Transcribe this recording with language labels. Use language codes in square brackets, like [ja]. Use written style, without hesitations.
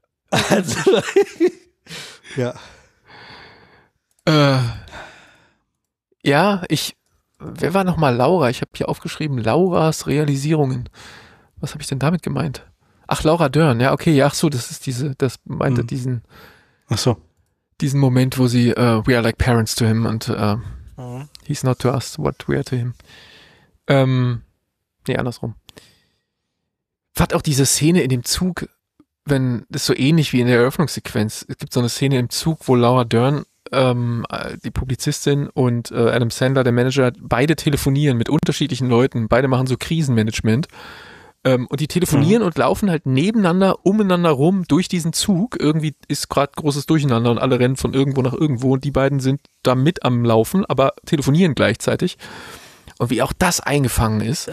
[de] Also. Ja. Ja, wer war nochmal Laura? Ich habe hier aufgeschrieben, Lauras Realisierungen. Was habe ich denn damit gemeint? Ach, Laura Dern, ja, okay, ja, ach so, das ist diese, das meinte diesen. Ach so. Diesen Moment, wo sie, [en] we are like parents to him and he's not to us what we are to him. [de] Andersrum. Was auch diese Szene in dem Zug, wenn, das ist so ähnlich wie in der Eröffnungssequenz. Es gibt so eine Szene im Zug, wo Laura Dern, die Publizistin und Adam Sandler, der Manager, beide telefonieren mit unterschiedlichen Leuten, beide machen so Krisenmanagement und die telefonieren und laufen halt nebeneinander, umeinander rum durch diesen Zug, irgendwie ist gerade großes Durcheinander und alle rennen von irgendwo nach irgendwo und die beiden sind da mit am Laufen, aber telefonieren gleichzeitig und wie auch das eingefangen ist.